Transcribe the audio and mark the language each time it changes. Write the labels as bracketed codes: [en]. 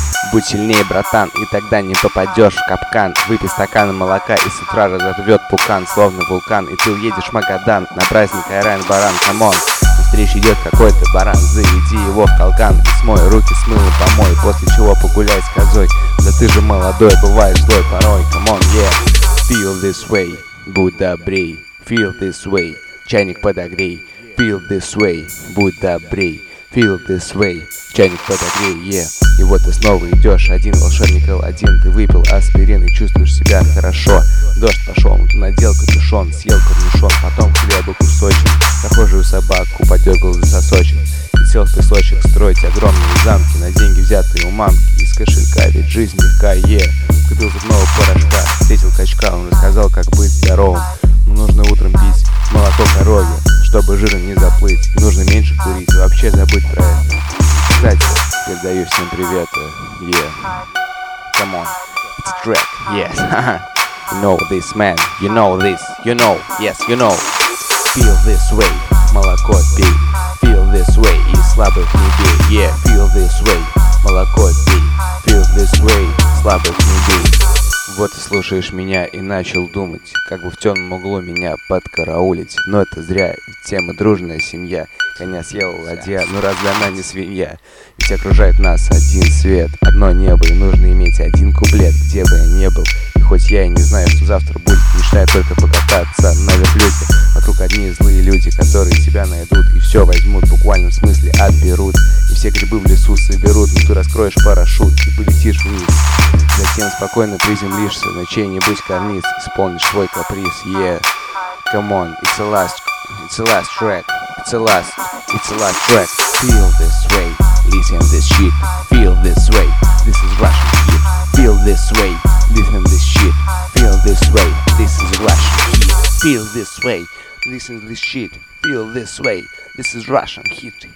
[ru] Будь сильнее, братан, и тогда не попадешь в капкан. Выпей стакан молока, и с утра разорвет пукан, словно вулкан. И ты уедешь в Магадан на праздник Айран Баран, камон. Встреч идет какой-то баран, заведи его в колкан и смой руки с мылом помой, после чего погуляй с козой. Да ты же молодой, бываешь злой порой, камон, yeah. [en] Feel this way, [ru] будь добрей. [en] Feel this way, [ru] чайник подогрей. [en] Feel this way, [ru] будь добрей. [en] Feel this way, [ru] чайник подогрей, [en] yeah. [ru] И вот ты снова идешь один, волшебник Аладдин. Ты выпил аспирин и чувствуешь себя хорошо. Дождь пошел, но ты надел капюшон, съел корнишон, потом хлеба кусочек. Прохожую собаку подергал за сосочек и сел в песочек строить огромные замки на деньги, взятые у мамки. Из кошелька ведь жизнь легка, yeah. Купил зубного порошка, встретил качка, он рассказал, как быть здоровым. Но нужно утром пить молоко коровье, чтобы жиром не заплыть. И нужно меньше курить, и вообще забыть про это. Кстати, передаю всем привет, yeah. [en] Come on, it's a track, yes. You know this, man, you know this, you know, yes, you know. Feel this way, [ru] молоко пей. [en] Feel this way, [ru] и слабых не бей, [en] yeah. Feel this way, [ru] молоко пей. [en] Feel this way, [ru] слабых не бей. Вот ты слушаешь меня и начал думать, как бы в темном углу меня подкараулить. Но это зря, ведь тема дружная семья. Коня съела ладья, ну разве она не свинья? Ведь окружает нас один свет, одно небо, и нужно иметь один куплет, где бы я ни был. И хоть я и не знаю, что завтра будет, мечтаю только покататься на верблюде. Вокруг одни злые люди, которые тебя найдут и все возьмут, в буквальном смысле отберут. И все грибы в лесу соберут, но ты раскроешь парашют и полетишь вниз. Затем спокойно приземлишься на чей-нибудь карниз, исполнишь свой каприз, yeah. [en] Come on, it's the last track. It's the last track. Feel this way, listen this shit. Feel this way, this is Russian heat. Feel this way, listen this shit. Feel this way, this is Russian heat. Feel this way, listen this shit. Feel this way, this is Russian heat.